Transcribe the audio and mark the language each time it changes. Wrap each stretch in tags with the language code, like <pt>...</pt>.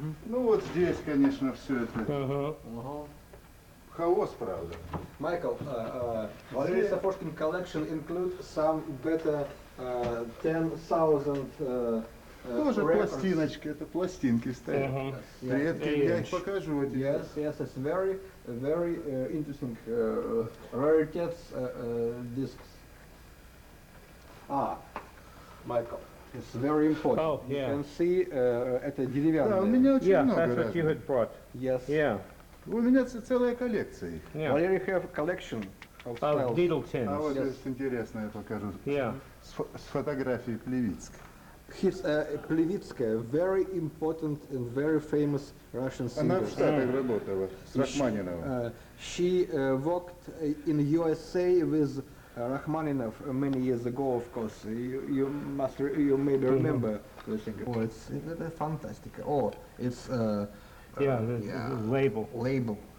<ru>Ну вот здесь, конечно, все это. Хаос, правда.</ru> <en>Michael, Valery Safoshkin collection include some better 10,000</en> <ru>тоже</ru> <en>records.</en> <ru>Пластиночки, это пластинки стоят.</ru> <en>Yes.</en> <ru>Редкие, я их покажу. Один.</ru> <en>Yes, yes, it's very, very interesting rarities discs. Michael. It's very important. Oh, yeah. You can see</en> <ru>это деревянное. Да, у меня очень много.</ru> <en>That's what you had brought. Yes. Yeah.</en> <ru>У меня целая коллекция.</ru> <en>Yeah. Valery have collection of beetle tins.</en> <ru>А вот здесь интересное я покажу.</ru> <en>Yeah.</en> <ru>С фотографией Плевицкой.</ru> <en>His Плевицкая, very important and very famous Russian singer.</en> <ru>Она в Штатах работала, с Рахманиновым.</ru> <en>She worked in USA with Rachmaninoff many years ago, of course. You maybe remember the singer. Oh, it's fantastic. Oh, it's Label.</en>